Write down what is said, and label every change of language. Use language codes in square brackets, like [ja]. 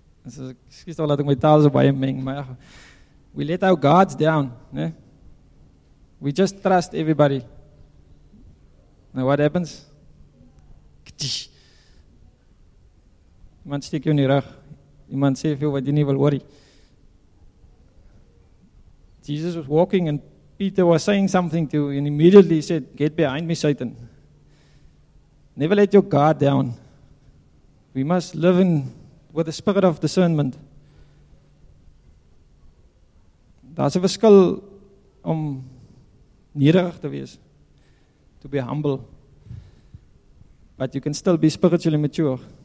[af] Excuse toch, laat ek my taal so baie meng. Maar [en] we let our guards down, [af] nee? [en] We just trust everybody. Now what happens? [af] Iemand steek jou in die rug. Iemand sê vir jou wat jy nie wil hoor nie. [en] Jesus was walking and Peter was saying something to you and immediately he said, get behind me, Satan. Never let your guard down. We must live in with the spirit of discernment. [af] Daar's 'n verskil om nederig te wees. [en] To be humble. But you can still be spiritually mature.